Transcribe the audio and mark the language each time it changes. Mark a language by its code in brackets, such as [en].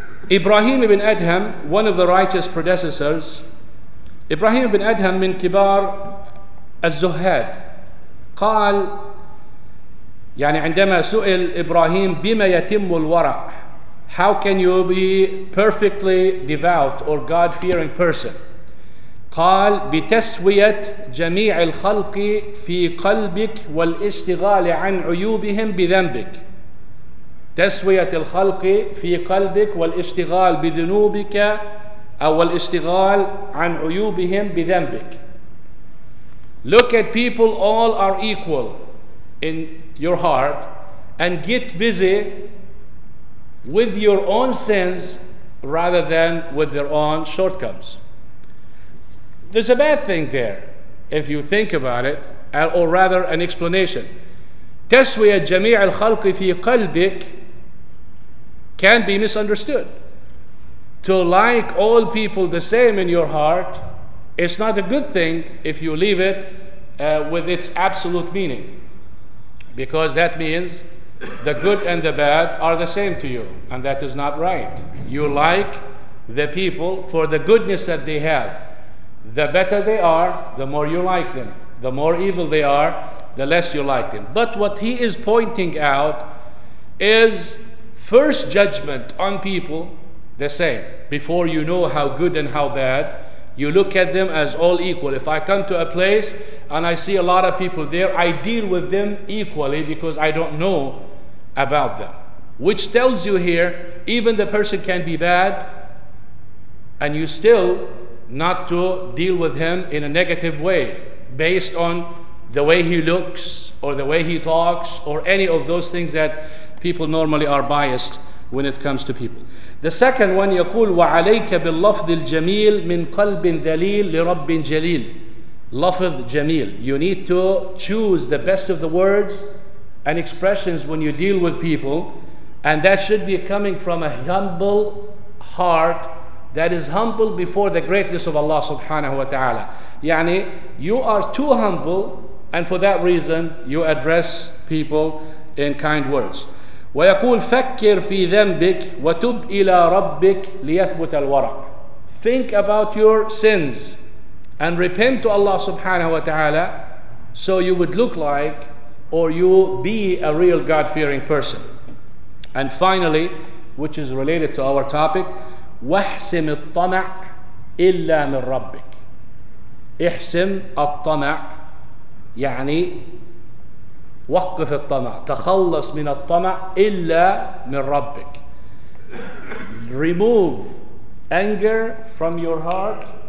[en] Ibrahim ibn Adham, one of the righteous predecessors, Ibrahim ibn Adham [ar] min kibar al-zuhad, qal, yani عندما سئل Ibrahim بما يتم الورع, [en] how can you be perfectly devout or God-fearing person? [ar] قال بتسوية جميع الخلق في قلبك والاشتغال عن عيوبهم بذنبك. تسوية الخلق في قلبك والاشتغال بذنوبك أو الاشتغال عن عيوبهم بذنبك. [en] Look at people, all are equal in your heart, and get busy with your own sins rather than with their own shortcomings. There's a bad thing there, if you think about it, or rather an explanation. [ar] تسوية جميع الخلق في قلبك [en] can be misunderstood. To like all people the same in your heart, it's not a good thing if you leave it with its absolute meaning, because that means the good and the bad are the same to you, and that is not right. You like the people for the goodness that they have. The better they are, the more you like them. The more evil they are, the less you like them. But what he is pointing out is first judgment on people the same. Before you know how good and how bad, you look at them as all equal. If I come to a place and I see a lot of people there, I deal with them equally because I don't know about them. Which tells you here, even the person can be bad, and you still not to deal with him in a negative way based on the way he looks or the way he talks or any of those things that people normally are biased when it comes to people. The second one, [ar] يقول وعليك باللفظ الجميل من قلب ذليل لرب جليل. لفظ جميل. [en] You need to choose the best of the words and expressions when you deal with people, and that should be coming from a humble heart that is humble before the greatness of Allah subhanahu wa ta'ala. [ar] يعني [en] you are too humble, and for that reason you address people in kind words. [ar] ويقول فكر في ذنبك وتب إلى ربك ليثبت الورع. [en] Think about your sins and repent to Allah subhanahu wa ta'ala, so you would look like or you be a real God-fearing person. And finally, which is related to our topic, [ar] واحسم الطمع إلا من ربك. احسم الطمع يعني وقف الطمع. تخلص من الطمع إلا من ربك. [en] Remove anger from your heart.